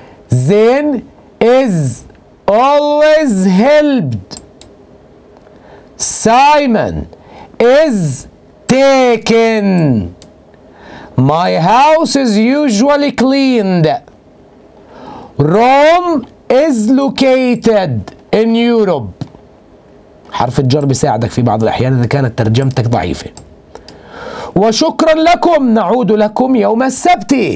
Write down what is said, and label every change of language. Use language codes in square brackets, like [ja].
[en] Zain is always helped. Simon is taken. My house is usually cleaned. Rome is located in Europe. [ar] حرف الجر بيساعدك في بعض الأحيان إذا كانت ترجمتك ضعيفة. وشكرا لكم، نعود لكم يوم السبت.